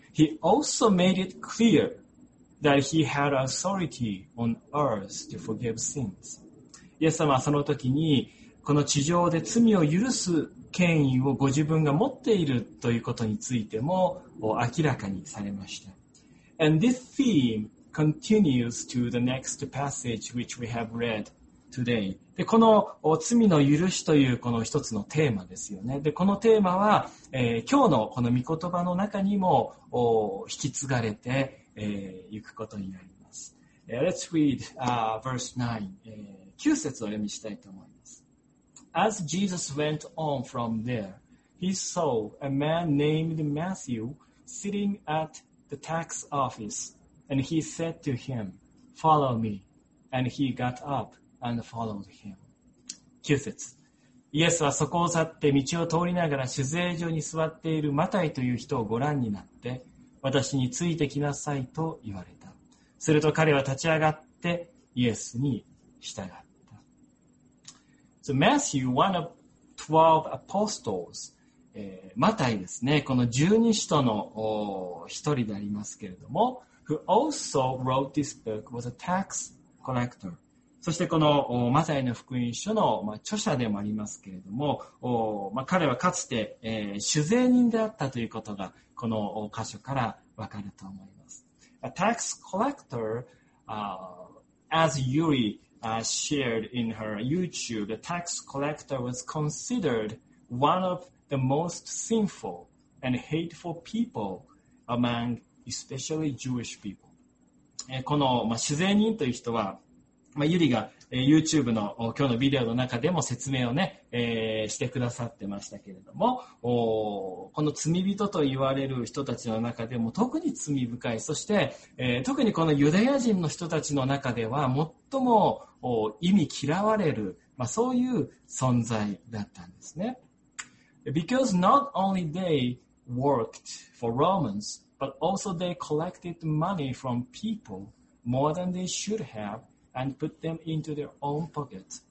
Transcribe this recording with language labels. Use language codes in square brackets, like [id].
[en] He also made it clear that he had authority on earth to forgive sins. [ja] イエス様はその時にこの地上で罪を許す権威をご自分が持っているということについても明らかにされました。 [en] And this theme continues to the next passage which we have read. Today. [ja] でこの罪の許しというこの一つのテーマですよね。でこのテーマは、今日のこの御言葉の中にも引き継がれてい、くことになります。 [en] Let's read verse 9. [ja] 9節を読みしたいと思います。 [en] As Jesus went on from there, he saw a man named Matthew sitting at the tax office, and he said to him, Follow me. And he got up. And followed him. [ja] 9節。イエスはそこを去って道を通りながら酒税所に座っているマタイという人をご覧になって、私についてきなさいと言われた。すると彼は立ち上がってイエスに従った。 [en] So Matthew, one of 12 apostles, [ja] マタイですね、この十二使徒の一人でありますけれども、 [en] who also wrote this book was a tax collector. [ja] そしてこのマタイの福音書の、まあ、著者でもありますけれども、まあ、彼はかつて、酒税人であったということがこの箇所からわかると思います。 [en] A tax collector, as Yuri, shared in her YouTube, a tax collector was considered one of the most sinful and hateful people among especially Jewish people. [ja] この、まあ、酒税人という人はまあ、ユリが、YouTube の今日のビデオの中でも説明をね、してくださってましたけれども、この罪人と言われる人たちの中でも特に罪深い、そして、特にこのユダヤ人の人たちの中では最も忌み嫌われる、まあ、そういう存在だったんですね。 [en] Because not only they worked for Romans, but also they collected money from people more than they should haveAnd put them into their own pocket.